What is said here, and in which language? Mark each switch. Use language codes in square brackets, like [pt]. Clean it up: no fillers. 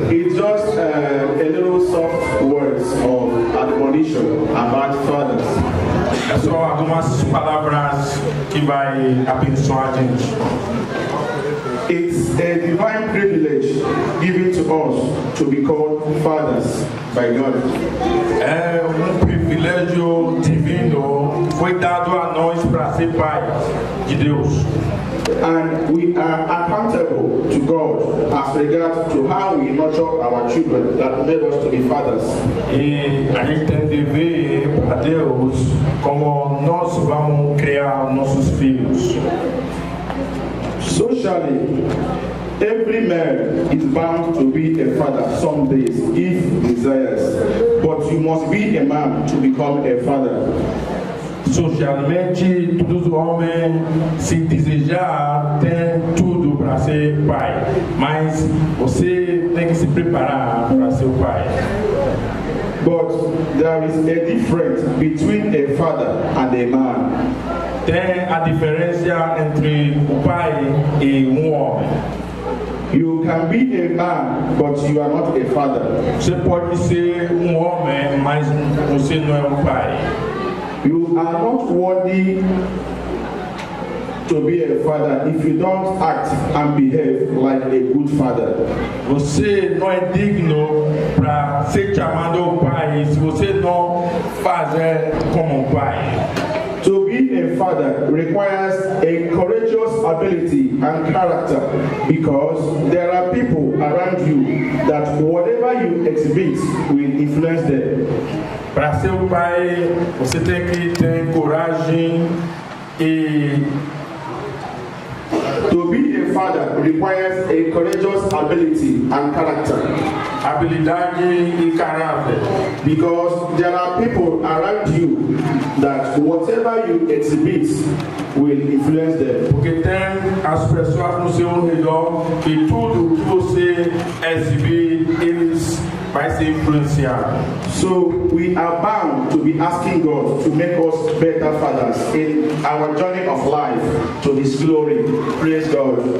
[en] It's just a little soft words of admonition about fathers. [pt] So algumas palavras que vai abençoar a gente. [en] It's a divine privilege given to us to be called fathers by God. [pt] É privilégio divino foi dado a nós para ser pai de Deus. [en] And we are accountable to God as regards to how we nurture our children that made us to be fathers. [pt] E a gente tem de ver para Deus como nós vamos criar nossos filhos. [en] Socially, every man is bound to be a father some days if desires, but you must be a man to become a father. [pt] Socialmente, todos os homens, se desejar, têm tudo para ser pai, mas você tem que se preparar para ser o pai. [en] But there is a difference between a father and a man. [pt] Tem a diferença entre o pai e homem. [en] You can be a man, but you are not a father. [pt] Você pode ser homem, mas você não é pai. [en] You are not worthy to be a father if you don't act and behave like a good father. [pt] Você não é digno para ser chamado pai se você não fazer como pai. [en] To be a father requires a courageous ability and character because there are people around you that whatever you exhibit will influence them. [pt] Para ser um pai, você tem que ter coragem e... [en] To be a father requires a courageous ability and character. [pt] Habilidade e caráter. [en] Because there are people around you that whatever you exhibit will influence them. [pt] Porque tem as pessoas no seu redor que tudo que você exibir eles vai ser influenciado. [en] So we are bound to be asking God to make us better fathers in our journey of life to His glory. Praise God.